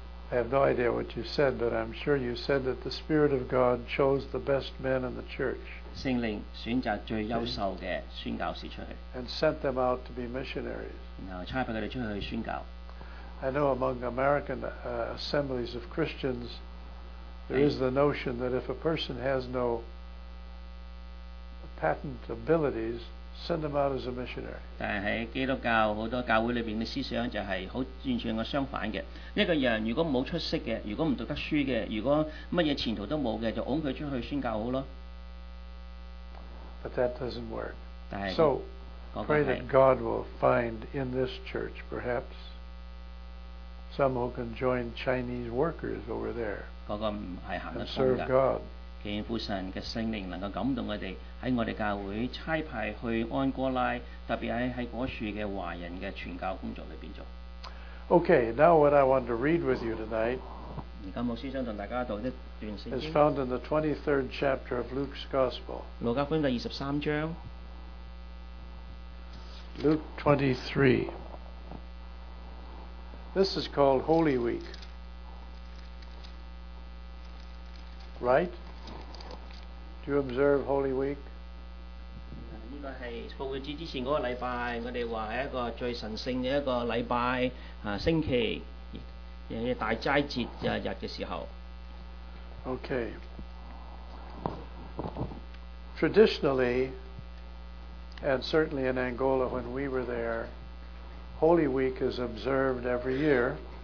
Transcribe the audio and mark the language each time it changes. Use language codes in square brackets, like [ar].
[en] I have no idea what you said, but I'm sure you said that the Spirit of God chose the best men in the church. [yue] 聖靈選擇最優秀嘅宣教士出去。 [en] And sent them out to be missionaries. [yue] 然後差派佢哋出去宣教。 [en] I know among American assemblies of Christians, there is the notion that if a person has no patent abilities. Send them out as a missionary. [yue] 但係基督教好多教會裏邊嘅思想就係好完全嘅相反嘅。一個人如果冇出息嘅，如果唔讀得書嘅，如果乜嘢前途都冇嘅，就擁佢出去宣教好咯。 [en] But that doesn't work. [yue] 但係 [en] so pray that God will find in this church perhaps some who can join Chinese workers over there. [yue] 嗰個唔係行得通㗎。 [en] Serve God. [yue] 祈願父神嘅聖靈能夠感動我哋，喺我哋教會差派去安哥拉，特別喺果樹嘅華人嘅傳教工作裏邊做。 [en] Okay, now what I want to read with you tonight. [yue] 而家牧師想同大家讀一段聖經。 [en] Is found in the 23rd chapter of Luke's Gospel. [yue] 路加福音第二十三章。 [en] Luke 23. This is called Holy Week. Right? Do you observe Holy Week? [yue] 呢個係復活節之前嗰個禮拜，我哋話係一個最神聖嘅一個禮拜啊，星期嘅大齋節啊日嘅時候。 [en] Okay. Traditionally, and certainly in Angola when we were there, Holy Week is observed every year.